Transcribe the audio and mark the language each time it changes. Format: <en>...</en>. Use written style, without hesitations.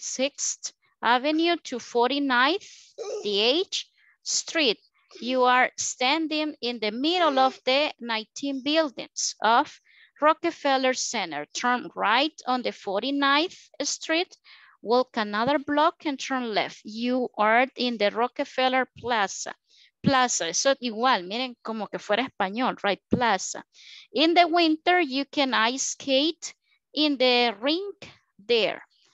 <en>6th Avenue to 49th Street. You are standing in the middle of the 19 buildings of Rockefeller Center, turn right on the 49th Street, walk another block and turn left. You are in the Rockefeller Plaza.</en> <es>Plaza, eso es igual, miren como que fuera español, right, plaza.</es> <en>In the winter, you can ice skate in the rink there.</en>